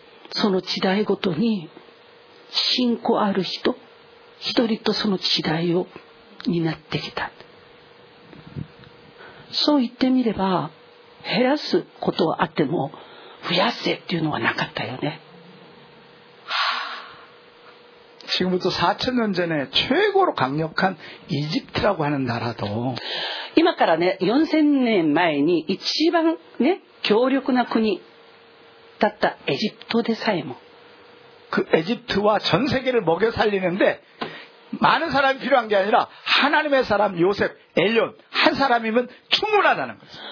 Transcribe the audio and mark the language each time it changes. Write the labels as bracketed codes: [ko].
[ja] その時代ごとに、信仰ある人、一人とその時代を担ってきた。そう言ってみれば減らすことはあっても増やせっていうのはなかったよね。 [ko] 지금부터4000년전에최고로강력한이집트라고하는나라도 [ja] 今からね4000年前に一番ね強力な国だったエジプトでさえも [ko] 그에집트와전세계를먹여살리는데많은사람이필요한게아니라하나님의사람요셉엘리온한사람이면충분하다는거죠